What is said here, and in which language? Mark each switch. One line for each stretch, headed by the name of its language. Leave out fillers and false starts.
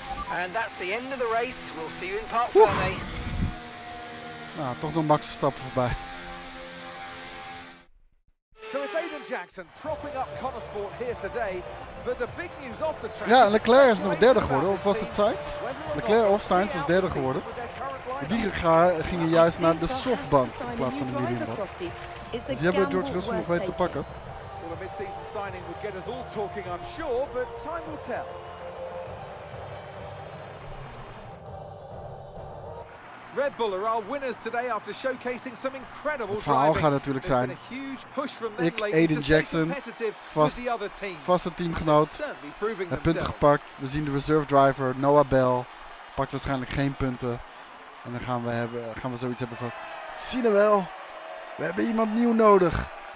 English: And that's the end of the race. We'll see you in part four, mate.
Dutch: Nou, toch nog Max Verstappen voorbij.
English: So it's Aiden Jackson propping up Konnersport here today, but the big news off the track.
Dutch: Ja, Leclerc is nog derde geworden, of was het Sainz? Leclerc of Sainz was derde geworden. Die gingen juist naar de softband in plaats van de mediumband. Dus die hebben George Russell nog weten te pakken.
English: Well, a mid-season signing would get us all talking, I'm sure, but time will tell. Red Bull are our winners today after showcasing some incredible
Dutch: driving. Het verhaal gaat natuurlijk zijn. Ik, Aiden Jackson, vaste teamgenoot, heb punten gepakt. We zien de reserve driver, Noah Bell, pakt waarschijnlijk geen punten. En dan gaan we zoiets hebben van, zien we wel, we hebben iemand nieuw nodig.